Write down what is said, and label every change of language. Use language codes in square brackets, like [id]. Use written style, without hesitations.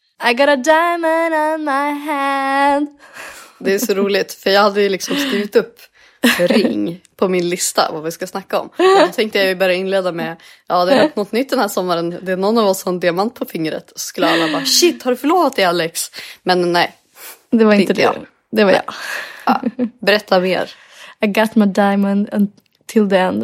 [en] I got a diamond on my hand. [sv] Det är så roligt, för jag hade ju liksom skrivit upp ring på min lista vad vi ska snacka om. Och då tänkte jag ju börja inleda med, ja, det har hänt något nytt den här sommaren. Det är någon av oss som har en diamant på fingret. Så skulle alla bara, shit, har du förlovat dig, Alex? Men nej. Det var inte det. Det var jag. Ja. Berätta mer. [en] I got my diamond until the end.